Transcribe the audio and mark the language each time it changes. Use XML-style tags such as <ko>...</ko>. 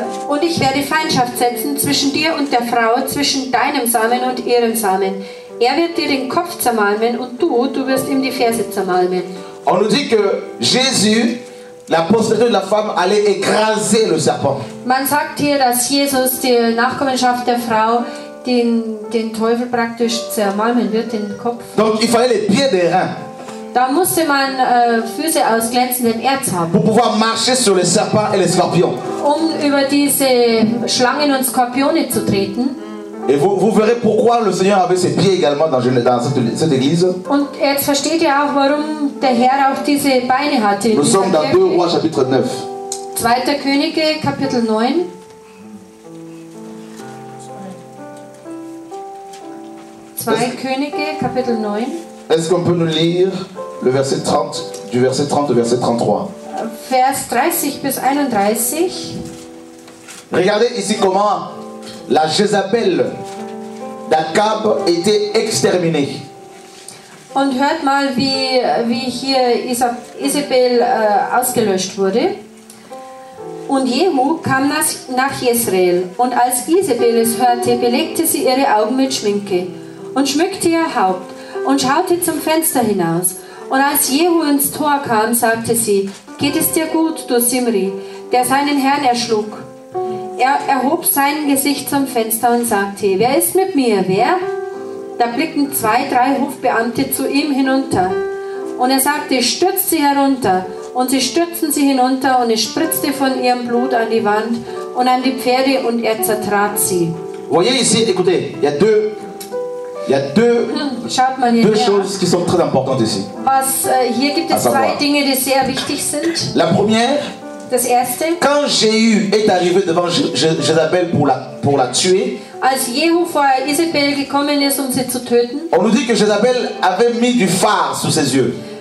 <de>Und ich werde Feindschaft setzen zwischen dir und der Frau, zwischen deinem Samen und ihrem Samen. Er wird dir den Kopf zermalmen und du wirst ihm die Ferse zermalmen.</de> <fr>On nous dit que Jésus, la postérité de la femme allait écraser le serpent.</fr> <de>Man sagt hier, dass Jesus die Nachkommenschaft der Frau den Teufel praktisch zermalmen wird, den Kopf.</de> <fr>Donc il fallait les pieds d'airain.</fr> <de>Da musste man Füße aus glänzendem Erz haben.</de> <fr>Pour pouvoir marcher sur les serpents et les scorpions.</fr> <de>Um über diese Schlangen und Skorpione zu treten.</de> <fr>Et vous verrez pourquoi le Seigneur avait ses pieds également dans cette église.</fr> <de>Und jetzt versteht ihr auch, warum der Herr auch diese Beine hatte.</de> <fr>Nous sommes dans 2 Rois chapitre 9.</fr> <de>2. Könige Kapitel 9.</de> <fr>Est-ce qu'on peut nous lire le verset 30, du verset 30 au verset 33?</fr> <de>Vers 30 bis 31.</de> <fr>Regardez ici comment la Jézabel d'Akab était exterminée.</fr> <de>Und hört mal, wie hier Isabel ausgelöscht wurde. Und Jehu kam nach Jezreel. Und als Isabel es hörte, belegte sie ihre Augen mit Schminke und schmückte ihr Haupt und schaute zum Fenster hinaus. Und als Jehu ins Tor kam, sagte sie, geht es dir gut, du Simri, der seinen Herrn erschlug? Er erhob sein Gesicht zum Fenster und sagte, wer ist mit mir, wer? Da blickten 2, 3 Hofbeamte zu ihm hinunter. Und er sagte, stürzt sie herunter. Und sie stürzten sie hinunter und es spritzte von ihrem Blut an die Wand und an die Pferde und er zertrat sie.</de> <fr>Voyez ici, écoutez, il y a deux choses qui sont très importantes ici.</fr> <de>Hier gibt es zwei Dinge, die sehr wichtig sind.</de> <fr>La première,</fr> <de>das erste,</de> <fr>quand Jéhu est arrivé devant Jézabel pour la tuer,</fr> <de>als Jehu vor Isabel gekommen ist, um sie zu töten,</de> <fr>on nous dit que Jézabel avait mis du fard sous ses yeux.</fr>